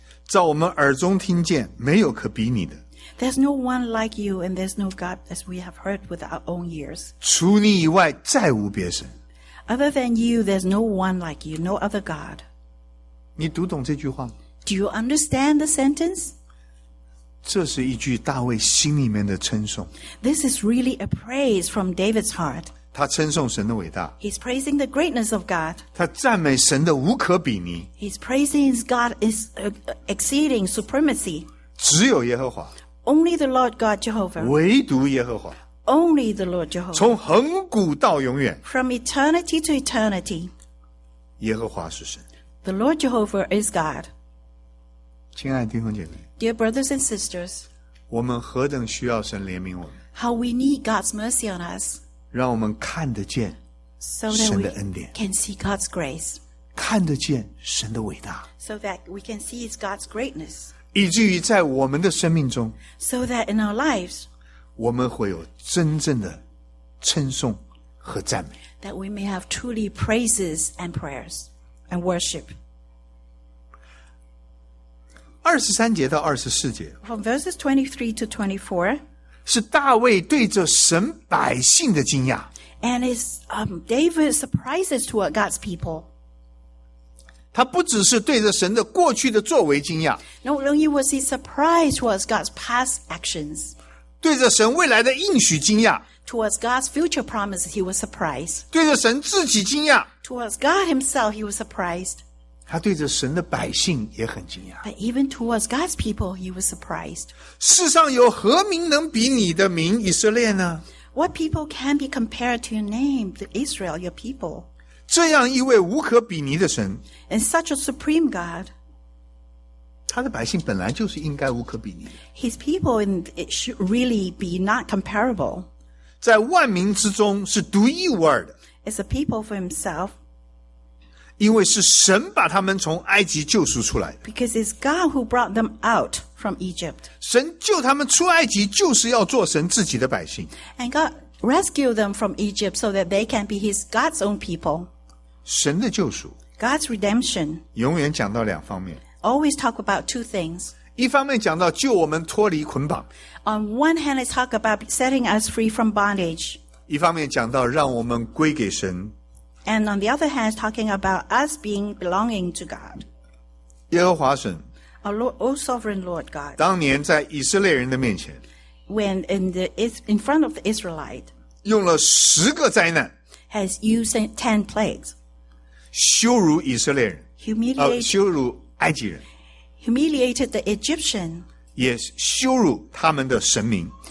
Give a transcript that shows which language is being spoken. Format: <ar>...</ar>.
<zh>在我们耳中听见，没有可比你的。</zh> <en>There's no one like you, and there's no God as we have heard with our own ears.</en> <zh>除你以外，再无别神。</zh> <en>Other than you, there's no one like you, no other God.</en> <zh>你读懂这句话吗？</zh> <en>Do you understand the sentence?</en> <zh>这是一句大卫心里面的称颂。</zh> <en>This is really a praise from David's heart.</en> <zh>他称颂神的伟大。</zh> <en>He's praising the greatness of God.</en> <zh>他赞美神的无可比拟。</zh> <en>He's praising God's exceeding supremacy.</en> <zh>只有耶和华。</zh> <en>Only the Lord God Jehovah.</en> <zh>唯独耶和华。</zh> <en>Only the Lord Jehovah.</en> <zh>从恒古到永远。</zh> <en>From eternity to eternity.</en> <zh>耶和华是神。</zh> <en>The Lord Jehovah is God.</en> <zh>亲爱的弟兄姐妹。</zh> <en>Dear brothers and sisters.</en> <zh>我们何等需要神怜悯我们。</zh> <en>How we need God's mercy on us.</en> <zh>让我们看得见神的恩典。</zh> <en>So that we can see God's grace.</en> <zh>看得见神的伟大。</zh> <en>So that we can see God's greatness.</en> <zh>以至于在我们的生命中。</zh> <en>So that in our lives.</en> <zh>我们会有真正的称颂和赞美。</zh> <en>That we may have truly praises and prayers and worship.</en> <zh>23节到24节。</zh> <en>From verses 23 to 24.</en> <zh>是大卫对着神百姓的惊讶。</zh> <en>And it's David's surprises toward God's people.</en> <zh>他不只是对着神的过去的作为惊讶。</zh> <en>Not only was he surprised towards God's past actions.</en> <zh>对着神未来的应许惊讶。</zh> <en>Towards God's future promises, he was surprised.</en> <zh>对着神自己惊讶。</zh> <en>Towards God himself, he was surprised.</en> <zh>他对着神的百姓也很惊讶。</zh> <en>But even towards God's people, he was surprised.</en> <zh>世上有何名能比你的名以色列呢？</zh> <en>What people can be compared to your name, to Israel, your people?</en> <zh>这样一位无可比拟的神。</zh> <en>And such a supreme God.</en> <zh>他的百姓本来就是应该无可比拟。</zh> <en>His people should really be not comparable.</en> <zh>在万民之中是独一无二的。</zh> <en>It's a people for himself.</en> <zh>因为是神把他们从埃及救赎出来。</zh> <en>Because it's God who brought them out from Egypt.</en> <zh>神救他们出埃及就是要做神自己的百姓。</zh> <en>And God rescued them from Egypt so that they can be His God's own people.</en> <zh>神的救赎。</zh> <en>God's redemption.</en> <zh>永远讲到两方面。</zh> <en>Always talk about two things.</en> <zh>一方面讲到救我们脱离捆绑。</zh> <en>On one hand, it talk about setting us free from bondage.</en> <zh>一方面讲到让我们归给神。</zh> <en>And on the other hand, talking about us being belonging to God.</en> <zh>耶和华神。</zh> <en>Our Lord, O Sovereign Lord God.</en> <zh>当年在以色列人的面前。</zh> <en>When in front of the Israelite.</en> <zh>用了十个灾难。</zh> <en>Has used 10 plagues.</en> <zh>羞辱以色列人。</zh> <en>Humiliate.</en> <zh>羞辱。埃及人</zh> <en>humiliated the Egyptian,</en> <zh>也羞辱他们的神明</zh>